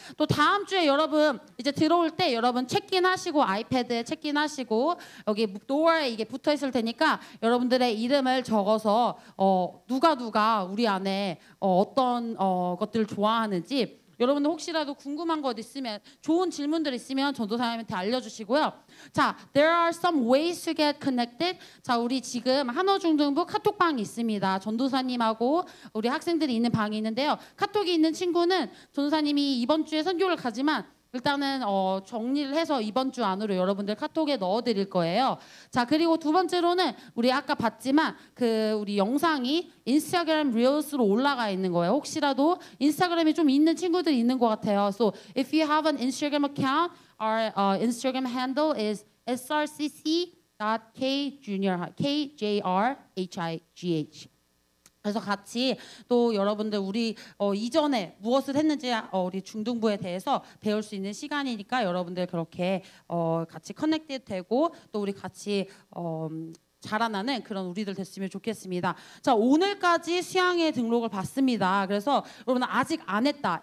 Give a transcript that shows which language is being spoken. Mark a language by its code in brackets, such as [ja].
[ko] 또 다음 주에 여러분 이제 들어올 때 여러분 체크인 하시고 아이패드에 체크인 하시고 여기 도어에 이게 붙어 있을 테니까 여러분들의 이름을 적어서 누가 우리 안에 어떤 것들을 좋아하는지 여러분들 혹시라도 궁금한 것 있으면 좋은 질문들 있으면 전도사님한테 알려주시고요. 자, [en] there are some ways to get connected. [ko] 자, 우리 지금 한어중등부 카톡방이 있습니다. 전도사님하고 우리 학생들이 있는 방이 있는데요. 카톡이 있는 친구는 전도사님이 이번 주에 선교를 가지만 일단은 정리를 해서 이번 주 안으로 여러분들 카톡에 넣어드릴 거예요. 자, 그리고 두 번째로는 우리 아까 봤지만 그 우리 영상이 인스타그램 릴스로 올라가 있는 거예요. 혹시라도 인스타그램이 좀 있는 친구들이 있는 것 같아요. [en] So if you have an Instagram account, our Instagram handle is srcc.kjrhigh. [ko] 그래서 같이 또 여러분들 우리 이전에 무엇을 했는지 우리 중등부에 대해서 배울 수 있는 시간이니까 여러분들 그렇게 같이 커넥트 되고 또 우리 같이 자라나는 그런 우리들 됐으면 좋겠습니다. 자, 오늘까지 수양회 등록을 받습니다. 그래서 여러분 아직 안 했다.